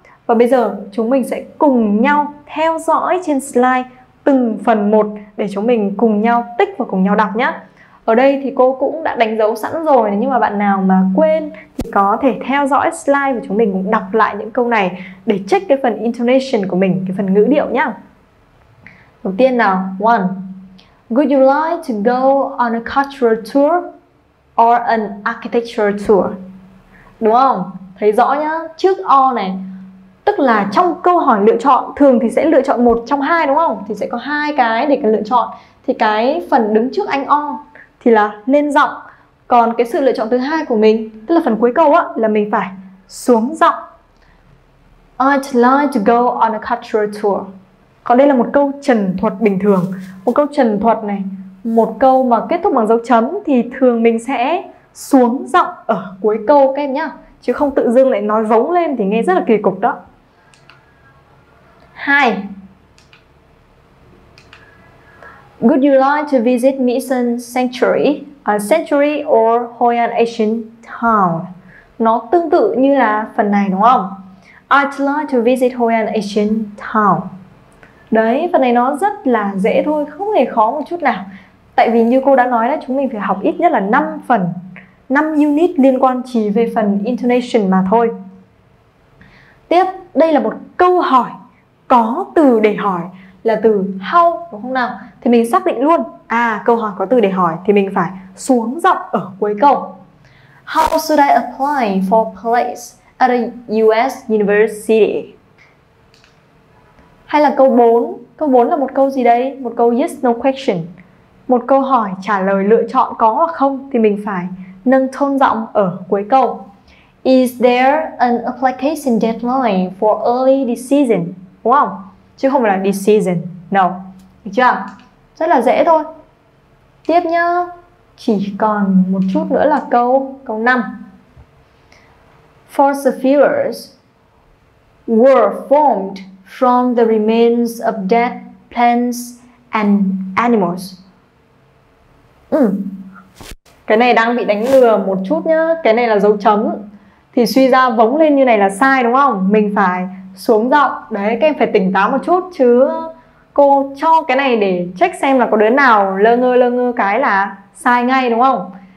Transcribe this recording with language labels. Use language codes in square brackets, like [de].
[vi] Và bây giờ chúng mình sẽ cùng nhau theo dõi trên slide từng phần một để chúng mình cùng nhau tích và cùng nhau đọc nhé. Ở đây thì cô cũng đã đánh dấu sẵn rồi, nhưng mà bạn nào mà quên thì có thể theo dõi slide và chúng mình cũng đọc lại những câu này để check cái phần intonation của mình, cái phần ngữ điệu nhá. Đầu tiên nào, 1. [en] Would you like to go on a cultural tour or an architecture tour? [vi] Đúng không? Thấy rõ nhá, trước O này. Tức là trong câu hỏi lựa chọn thường thì sẽ lựa chọn một trong hai đúng không? Thì sẽ có hai cái để cần lựa chọn. Thì cái phần đứng trước anh O thì là lên giọng. Còn cái sự lựa chọn thứ hai của mình, tức là phần cuối câu á, là mình phải xuống giọng. [en] I'd like to go on a cultural tour. [vi] Còn đây là một câu trần thuật bình thường. Một câu trần thuật này, một câu mà kết thúc bằng dấu chấm thì thường mình sẽ xuống giọng ở cuối câu các em nhá. Chứ không tự dưng lại nói vống lên thì nghe rất là kỳ cục đó. 2. [en] Would you like to visit Mission Sanctuary, a sanctuary or Hoi An Ancient Town? [vi] Nó tương tự như là phần này đúng không? [en] I'd like to visit Hoi An Ancient Town. [vi] Đấy, phần này nó rất là dễ thôi, không hề khó một chút nào. Tại vì như cô đã nói là chúng mình phải học ít nhất là 5 phần, 5 unit liên quan chỉ về phần intonation mà thôi. Tiếp, đây là một câu hỏi có từ để hỏi, là từ how đúng không nào? Thì mình xác định luôn, à câu hỏi có từ để hỏi thì mình phải xuống giọng ở cuối câu. [en] How should I apply for place at a US university? [vi] Hay là câu 4, Câu 4 là một câu gì đây? Một câu [en] yes, no question. [vi] Một câu hỏi trả lời lựa chọn có hoặc không thì mình phải nâng tone giọng ở cuối câu. [en] Is there an application deadline for early decision? [vi] Đúng không? Chứ không phải là decision. No. Được chưa? Rất là dễ thôi. Tiếp nhá. Chỉ còn một chút nữa là câu 5. [en] Fossil fuels were formed from the remains of dead plants and animals. [vi] Cái này đang bị đánh lừa một chút nhá. Cái này là dấu chấm. Thì suy ra vống lên như này là sai đúng không? Mình phải xuống giọng. Đấy, các em phải tỉnh táo một chút. Chứ cô cho cái này để check xem là có đứa nào lơ ngơ cái là sai ngay đúng không?